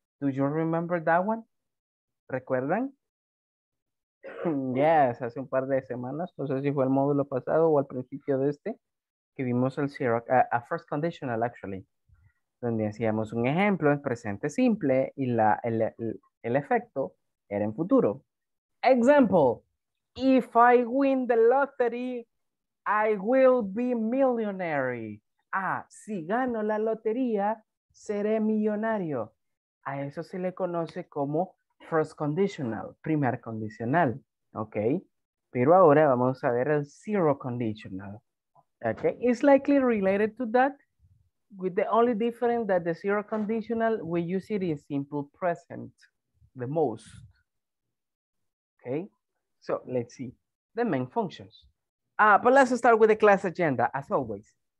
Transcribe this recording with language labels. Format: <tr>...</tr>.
<en>Do you remember that one?</en> <es>¿Recuerdan? Yes, hace un par de semanas, no sé si fue el módulo pasado o al principio de este, que vimos el zero, a first conditional actually, donde hacíamos un ejemplo en presente simple y el efecto era en futuro.</es> <en>Example, if I win the lottery, I will be millionaire.</en> <es>Ah, si gano la lotería, seré millonario. A eso se le conoce como first conditional, primer condicional, ¿ok? Pero ahora vamos a ver el zero conditional, ¿ok?</es> <en>It's likely related to that, with the only difference that the zero conditional, we use it in simple present, the most, ¿ok? So, let's see the main functions. But let's start with the class agenda, as always.</en>